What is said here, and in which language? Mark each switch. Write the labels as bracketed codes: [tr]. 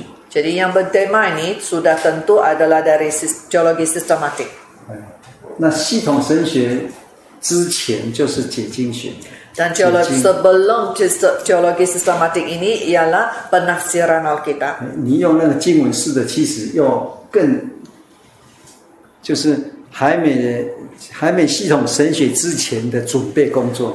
[ms] Jadi yang bertema ini sudah tentu adalah dari teologi sistematik. [zh] 那系统神学之前就是解经学。 [ms] Dan teologi sebelum teologi sistematik ini ialah penafsiran Alkitab. [zh] 你用那个经文式的，其实又更就是还没系统神学之前的准备工作。